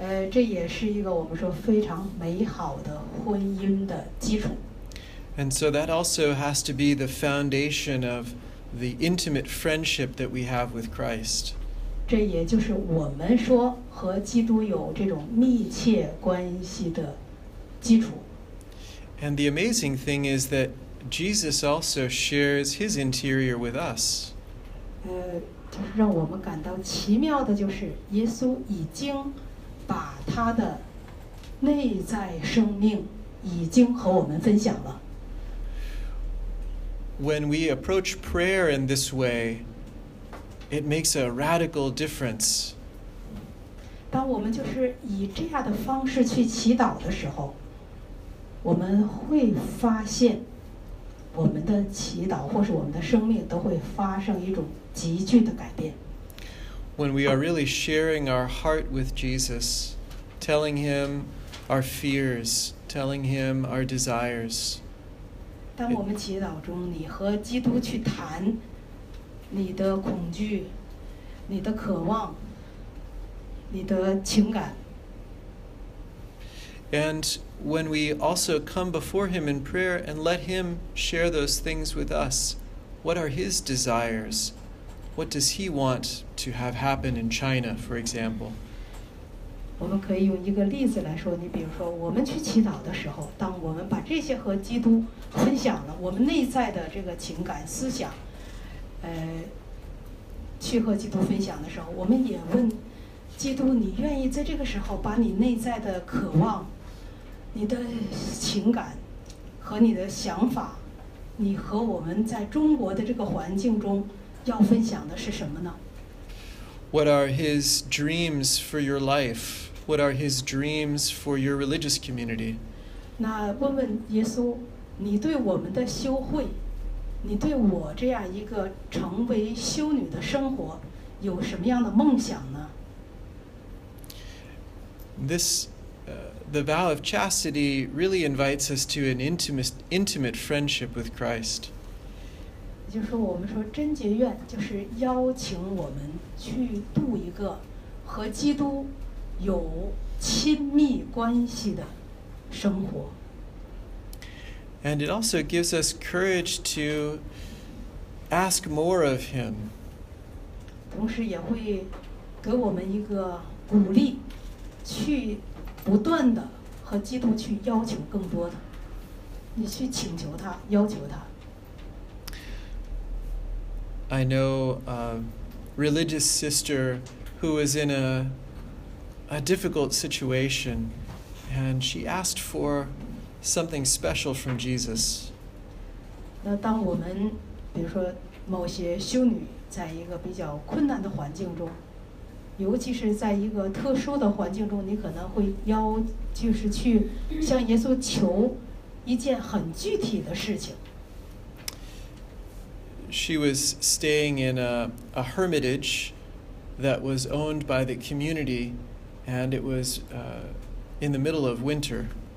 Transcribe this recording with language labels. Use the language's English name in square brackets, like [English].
[Chinese] 这也是一个我们说非常美好的婚姻的基础。 [English] And so that also has to be the foundation of the intimate friendship that we have with Christ. [Chinese] 这也就是我们说和基督有这种密切关系的基础。 [English] And the amazing thing is that Jesus also shares his interior with us. [Chinese] 就是让我们感到奇妙的就是耶稣已经把他的内在生命已经和我们分享了。 [English] When we approach prayer in this way, it makes a radical difference. [Chinese] 当我们就是以这样的方式去祈祷的时候，我们会发现我们的祈祷或是我们的生命都会发生一种急剧的改变。 [English] When we are really sharing our heart with Jesus, telling him our fears, telling him our desires. [Chinese] 当我们祈祷中，你和基督去谈你的恐惧、你的渴望、你的情感。 [English] And when we also come before him in prayer and let him share those things with us, what are his desires? What does he want to have happen in China, for example? [Chinese] 我们可以用一个例子来说，你比如说我们去祈祷的时候，当我们把这些和基督分享了，我们内在的这个情感、思想，去和基督分享的时候，我们也问基督，你愿意在这个时候把你内在的渴望、你的情感和你的想法，你和我们在中国的这个环境中要分享的是什么呢？ [English] What are his dreams for your life? What are his dreams for your religious community? [Chinese] 那问问耶稣，你对我们的修会，你对我这样一个成为修女的生活有什么样的梦想呢？ [English] This the vow of chastity really invites us to an intimate friendship with Christ. [Chinese] 就是我们说贞洁愿就是邀请我们去度一个和基督有亲密关系的生活。 [English] And it also gives us courage to ask more of him. [Chinese] 同时也会给我们一个鼓励去不断的和基督去要求更多的，你去请求他，要求他。 [English] I know a religious sister who was in a difficult situation, and she asked for something special from Jesus. [Chinese] 那当我们比如说某些修女在一个比较困难的环境中，尤其是在一个特殊的环境中，你可能会要就是去向耶稣求一件很具体的事情。 [English] She was staying in a hermitage that was owned by the community, and it was in the middle of winter.